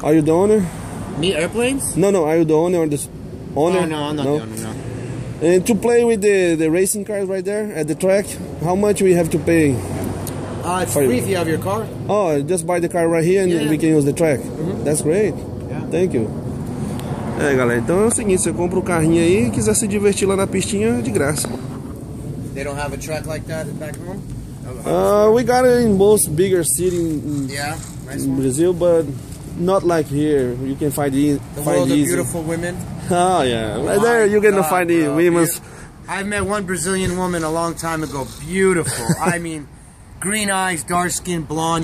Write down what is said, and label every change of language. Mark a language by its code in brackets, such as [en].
[en] Are you the owner? Me, airplanes? No, are you the owner or the owner? No, I'm not the owner, no. And to play with the racing cars right there at the track, how much we have to pay? It's free if you have your car. Oh, just buy the car right here and we can use the track. Mm-hmm. That's great. Thank you. [pt] É, galera, então é o seguinte, você compra o carrinho aí e quiser se divertir lá na pistinha, de graça. [en] They don't have a track like that back home? We got it in most bigger cities in Brazil, but not like here. You can find it find world easy. Of beautiful women. Oh, yeah. Right there, you're going to find the women. I met one Brazilian woman a long time ago. Beautiful. I mean, green eyes, dark skin, blonde.